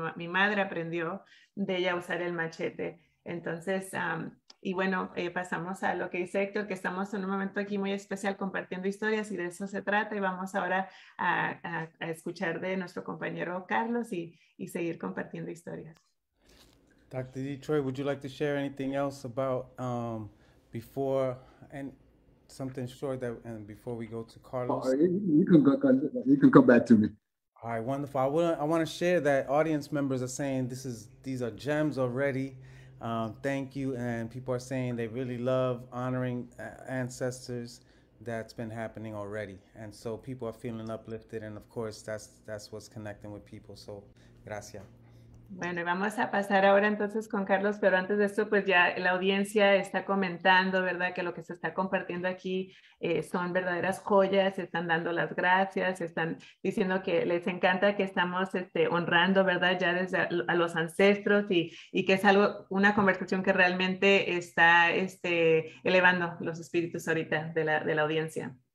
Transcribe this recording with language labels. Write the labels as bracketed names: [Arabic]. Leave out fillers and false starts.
[Spanish] Mi madre aprendió de ella a usar el machete. Entonces, y bueno, pasamos a lo que dice Héctor, que estamos en un momento aquí muy especial compartiendo historias, y de eso se trata, y vamos ahora a escuchar de nuestro compañero Carlos y seguir compartiendo historias. [English] Dr. Detroit, would you like to share anything else about before, and something short that, and before we go to Carlos? You can come back to me. All right, wonderful. I want to share that audience members are saying these are gems already. Thank you. And people are saying they really love honoring ancestors. That's been happening already. And so people are feeling uplifted. And of course, that's what's connecting with people. So, gracias. [Spanish] Bueno, vamos a pasar ahora entonces con Carlos, pero antes de esto, pues ya la audiencia está comentando, ¿verdad?, que lo que se está compartiendo aquí son verdaderas joyas, están dando las gracias, están diciendo que les encanta que estamos honrando, ¿verdad?, ya desde a los ancestros y que es algo, una conversación que realmente está elevando los espíritus ahorita de la audiencia.